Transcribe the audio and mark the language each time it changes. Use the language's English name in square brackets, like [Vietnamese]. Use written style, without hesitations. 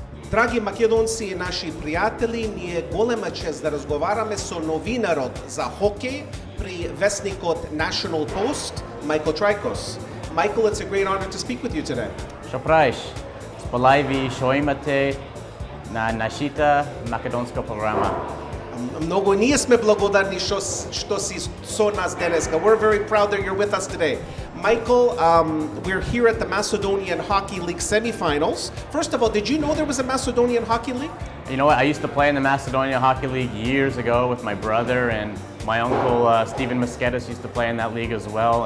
[Macedonian] Драги македонци и наши пријатели, ни е голема чест да разговараме со новинарот за хокеј при весникот National Post, Michael Traikos. [English] Michael, it's a great honor to speak with you today. [Macedonian] Шо правиш? Спалај ви шо имате на нашите македонска програма. Многу ние сме благодарни што си со нас денеска. [English] We're very proud that you're with us today. Michael, we're here at the Macedonian Hockey League semifinals. First of all, did you know there was a Macedonian Hockey League? You know what? I used to play in the Macedonian Hockey League years ago with my brother, and my uncle, Stephen Mesketis, used to play in that league as well.